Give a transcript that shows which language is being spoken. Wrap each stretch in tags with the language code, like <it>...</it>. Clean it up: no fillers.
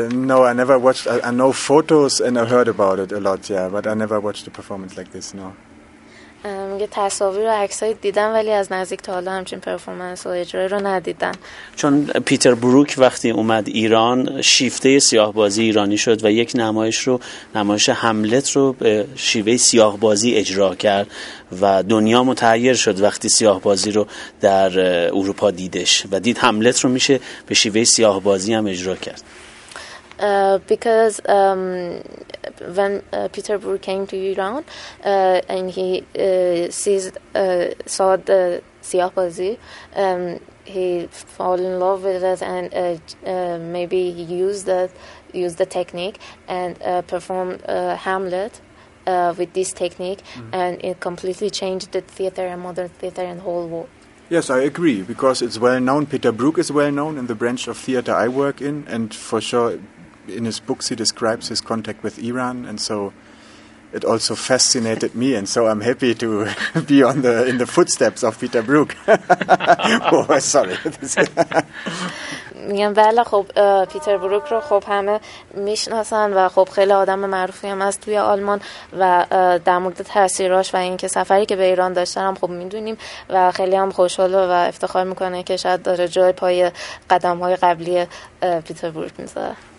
<en>No, I never watched I know photos and I heard about it a lot yeah but I never watched a performance like this no</en> <fa>میگه تصاویر و عکسای دیدم ولی از نزدیک تا حالا همچین پرفورمنس و اجرایی رو ندیدم چون پیتر بروک وقتی اومد ایران شیفته سیاه بازی ایرانی شد و یک نمایش رو نمایش هملت رو به شیوه سیاه بازی اجرا کرد و دنیا متحیر شد وقتی سیاه بازی رو در اروپا دیدش و دید هملت رو میشه به شیوه سیاه بازی هم اجرا کرد</fa> <en>Because when Peter Brook came to Iran and he saw the Siyah Bazi, he fell in love with it and maybe he used the technique and performed Hamlet with this technique mm-hmm. and it completely changed the theater and modern theater and whole world. Yes, I agree, because it's well known. Peter Brook is well known in the branch of theater I work in and for sure... In his books, he describes his contact with Iran, and so it also fascinated me. And so I'm happy to be on the in the footsteps of Peter Brook. Oh, sorry.</en> <fa>میگم بله خب پیتر بروک رو خب همه میشناسن و خب خیلی آدم معروفی هم هست توی آلمان و در مورد تاثیراش و اینکه سفری که به ایران داشتن هم خب میدونیم و خیلی هم خوشحال و افتخار میکنه که شاید داره جای پای قدم‌های قبلی پیتر بروک میذاره.</fa>